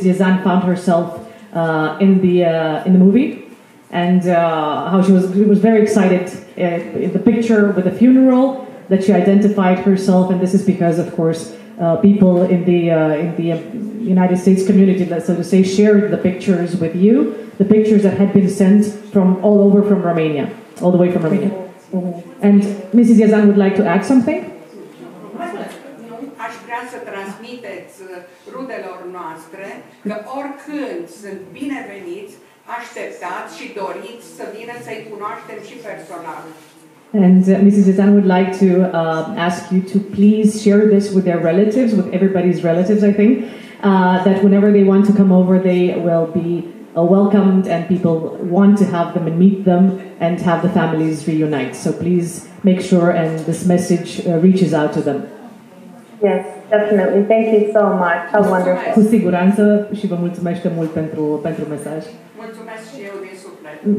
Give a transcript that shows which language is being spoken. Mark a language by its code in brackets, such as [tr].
[en] Iezan found herself in the movie, and how she was very excited in the picture with the funeral that she identified herself, and this is because, of course, people in the United States community, so to say, shared the pictures with you, the pictures that had been sent from all over from Romania, all the way from Romania. And Mrs. Iezan would like to add something? [ro] Aș vrea să transmiteți rudelor noastre că oricând sunt bineveniți, așteptați și doriți să vină să-i cunoaștem și personal. [en] And Mrs. Iezan would like to ask you to please share this with their relatives, with everybody's relatives, I think, that whenever they want to come over, they will be welcomed, and people want to have them and meet them and have the families reunite. So please make sure and this message reaches out to them. Yes, definitely. Thank you so much. How wonderful. [ro] Cu siguranță și vă mulțumește mult pentru mesaj. Mulțumesc și eu din suflet.